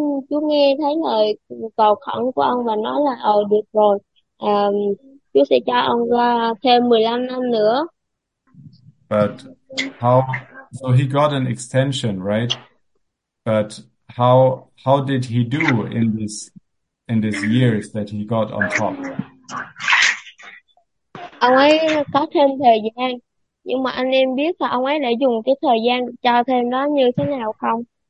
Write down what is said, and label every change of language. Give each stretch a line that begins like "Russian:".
Vietnamese: Chú nghe thấy lời cầu khẩn của ông và nói là được rồi, chú sẽ cho ông ra thêm 15
English: But how? So he got an extension, right? But How did he do in this years that he got on top?
Vietnamese: Ông ấy có thêm thời gian, nhưng mà anh em biết là ông ấy đã dùng cái thời gian cho thêm đó như thế nào không?